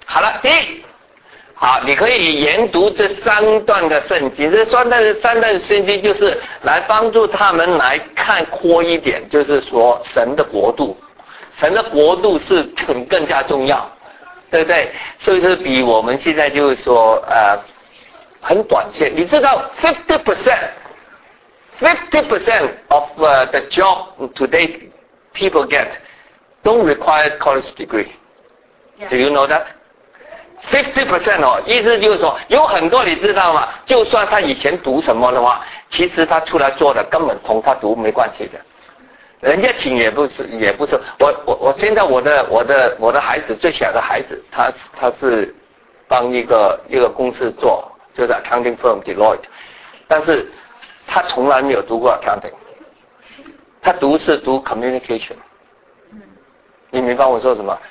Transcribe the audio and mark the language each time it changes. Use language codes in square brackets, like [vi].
[zh] 好了，第一，好，你可以研读这三段的圣经，这三段的圣经就是来帮助他们来看阔一点，就是说神的国度是更加重要，对不对？所以是比我们现在就是说很短线，你知道 50% [en] 50% of the job today people get don't require college degree. Do you know that? [zh] 50% 哦，意思就是说，有很多你知道吗？就算他以前读什么的话，其实他出来做的根本同他读没关系的。人家请也不是，我现在我的孩子最小的孩子，他是帮一个公司做，就是 [en] accounting firm Deloitte， [zh] 但是他从来没有读过 accounting， 他读是读 communication。你明白我说什么？